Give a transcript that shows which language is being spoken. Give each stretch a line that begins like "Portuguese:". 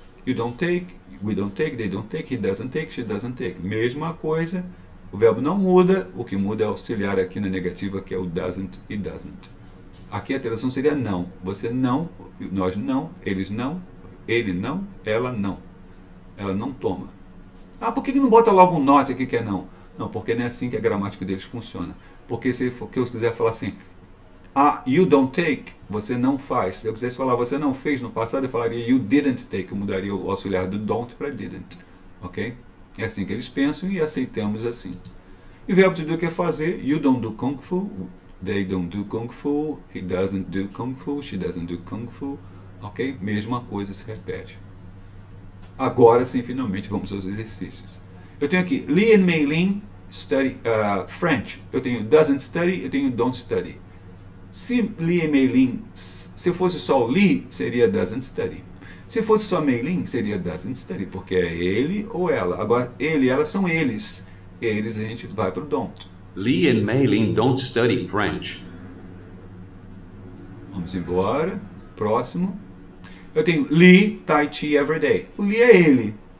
English: You don't take, we don't take, they don't take, he doesn't take, she doesn't take.
Portuguese: Mesma coisa. O verbo não muda. O que muda é o auxiliar aqui na negativa, que é o doesn't e doesn't. Aqui a tradução seria não. Você não, nós não, eles não, ele não, ela não. Ela não toma. Ah, por que não bota logo um not aqui que é não? Não, porque não é assim que a gramática deles funciona. Porque se eu quiser falar assim, ah,
English: you don't take,
Portuguese: você não faz. Se eu quisesse falar você não fez no passado, eu falaria
English: you didn't take.
Portuguese: Eu mudaria o auxiliar do don't para didn't. Ok? É assim que eles pensam e aceitamos assim. E o verbo to do que é fazer,
English: you don't do kung fu. They don't do kung fu, he doesn't do kung fu, she doesn't do kung fu.
Portuguese: Ok? Mesma coisa se repete. Agora sim, finalmente, vamos aos exercícios. Eu tenho aqui,
English: Li and Mei Lin study French.
Portuguese: Eu tenho
English: doesn't study,
Portuguese: eu tenho
English: don't study.
Portuguese: Se Li e Mei Lin, se fosse só o Li, seria
English: doesn't study.
Portuguese: Se fosse só Mei Lin, seria
English: doesn't study,
Portuguese: porque é ele ou ela. Agora, ele e ela são eles. Eles a gente vai para o don't.
English: Li and Mei Lin don't study French.
Portuguese: Vamos embora. Próximo. Eu tenho
English: Li Tai Chi every day.
Portuguese: O Li é ele.